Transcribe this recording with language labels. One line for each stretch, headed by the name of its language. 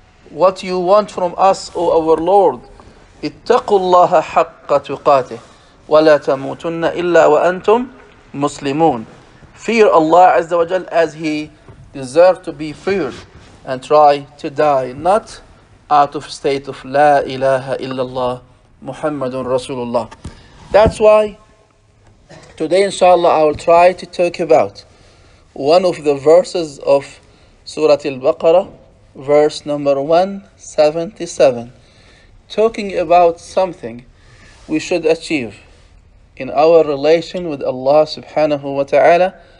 English: What you want from us, O our Lord?
Arabic: اتقوا الله حق تقاته ولا تموتن إلا وأنتم مسلمون.
English: Fear Allah عز وجل as He deserves to be feared, and try to die not out of state of
Arabic: لا إله إلا الله محمد رسول الله.
English: That's why today, inshallah, I will try to talk about one of the verses of Surah Al-Baqarah, verse number 177, talking about something we should achieve in our relation with Allah subhanahu wa ta'ala.